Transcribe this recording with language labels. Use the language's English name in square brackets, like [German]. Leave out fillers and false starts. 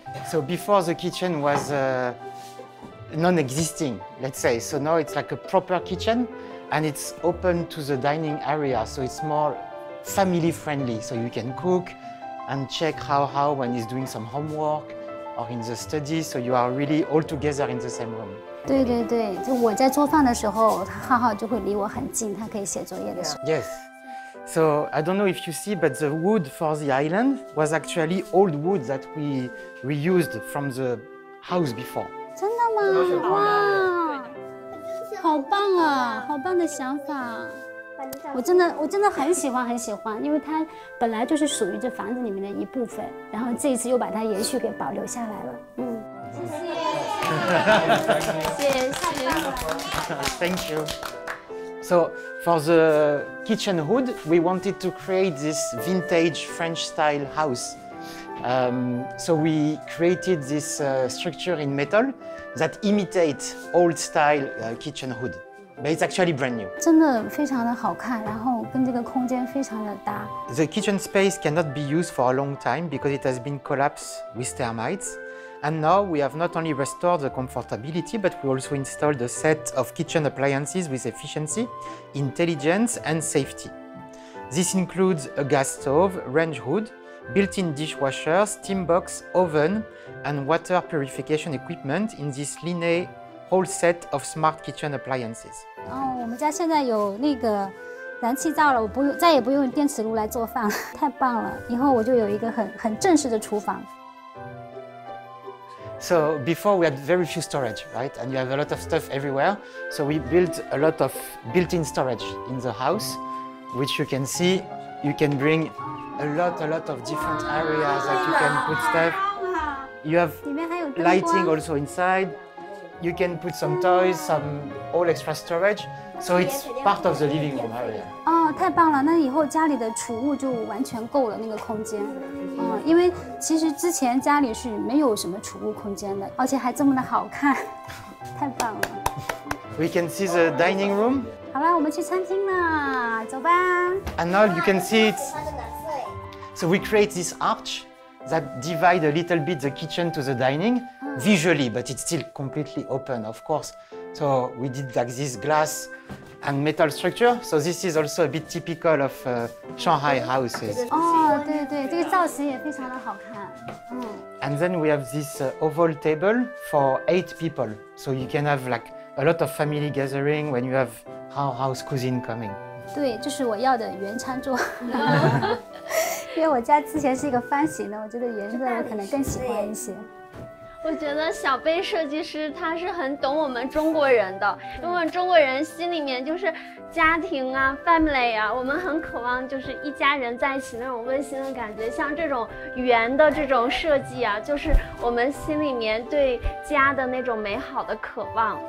[English] So before the kitchen was non-existing, let's say. So now it's like a proper kitchen, and it's open to the dining area. So it's more family friendly. So you can cook and check how when he's doing some homework. Or in the study, so you are really all together in the same room. [Chinese] 对对对，就我在做饭的时候，浩浩就会离我很近，他可以写作业的时候。 [English] Yes. So I don't know if you see, but the wood for the island was actually old wood that we reused from the house before. [Chinese] 真的吗？哇，好棒啊！好棒的想法。我真的很喜欢很喜欢，因为它本来就是属于这房子里面的一部分，然后这一次又把它延续给保留下来了。嗯，谢谢。 [English] Thank you. So for the kitchen hood, we wanted to create this vintage French style house. So we created this structure in metal that imitates old style kitchen hood. But it's actually brand new. [Chinese] 真的非常的好看，然后跟这个空间非常的搭。 [English] The kitchen space cannot be used for a long time because it has been collapsed with termites. And now we have not only restored the comfortability, but we also installed a set of kitchen appliances with efficiency, intelligence, and safety. This includes a gas stove, range hood, built-in dishwasher, steam box, oven, and water purification equipment in this Linné. Whole set of smart kitchen appliances. [Chinese] Oh, 我们家现在有那个燃气灶了，我不用再也不用电磁炉来做饭了，太棒了！以后我就有一个很正式的厨房。 [English] So before we had very few storage, right? And you have a lot of stuff everywhere. So we built a lot of built-in storage in the house, which you can see. You can bring a lot of different areas that you can put stuff. You have lighting also inside. You can put some toys, some all extra storage, so it's part of the living room area. [Chinese] Oh, 太棒了！那以后家里的储物就完全够了那个空间。因为其实之前家里是没有什么储物空间的，而且还这么的好看，太棒了。 [English] We can see the dining room. [Chinese] 好了，我们去餐厅了，走吧。 [English] And now you can see it. So we create this arch. That divide a little bit the kitchen to the dining, visually, but it's still completely open, of course. So we did like this glass and metal structure. So this is also a bit typical of Shanghai houses. [Chinese] Oh, 对对，这个造型也非常的好看。 [English] And then we have this oval table for 8 people, so you can have like a lot of family gathering when you have our house cuisine coming. [Chinese] 对，这是我要的圆餐桌。因为我家之前是一个方形的，我觉得圆的我可能更喜欢一些。我觉得小贝设计师他是很懂我们中国人的，因为中国人心里面就是家庭啊 family 啊，我们很渴望就是一家人在一起那种温馨的感觉，像这种圆的这种设计啊，就是我们心里面对家的那种美好的渴望。